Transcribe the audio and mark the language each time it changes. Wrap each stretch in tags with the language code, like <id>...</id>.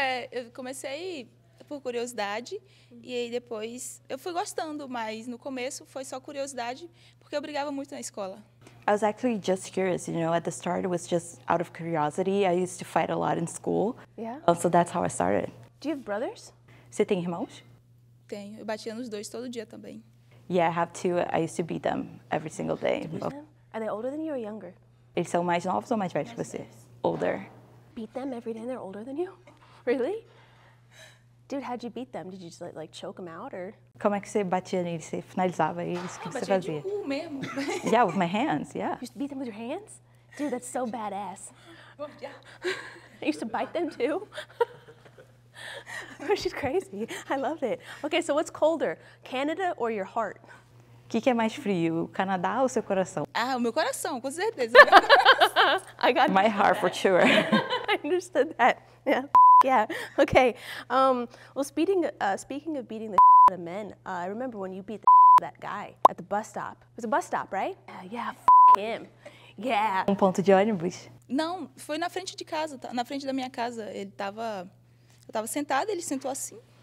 <pt>Eu comecei por curiosidade e aí depois eu fui gostando, mas no começo foi só curiosidade porque eu brigava muito na escola.</pt> <en>I was actually just curious, you know, at the start it was just out of curiosity. I used to fight a lot in school. Yeah. So that's how I started. Do you have brothers?</en> <pt>Você tem irmãos? Tenho. Eu batia nos dois todo dia também.</pt> <en>Yeah, I have two. I used to beat them every single day. Are they older than you or younger?</en> <pt>Eles são mais novos ou mais velhos que você?</pt> <en>Older. Beat them every day and they're older than you? Really? Dude, how'd you beat them? Did you just like choke them out or?</en> <pt>Como é que você batia neles? Você finalizava eles? Ah, batia de um mesmo.</pt> <en>Yeah, with my hands, yeah. You used to beat them with your hands? Dude, that's so badass. I used to bite them too? Oh, she's crazy. I loved it. Okay, so what's colder, Canada or your heart?</en> <pt>O que é mais frio, o Canadá ou seu coração? Ah, o meu coração, com certeza.</pt> <en>I got my heart for sure. I understood that. Yeah. Yeah. Okay. Well, speaking of beating the out of men, I remember when you beat the of that guy at the bus stop. It was a bus stop, right? Yeah, him. Yeah.</en> <pt>Um ponto de ônibus? Não, foi na frente de casa, na frente da minha casa. Ele tava eu tava sentado, ele sentou assim.</pt>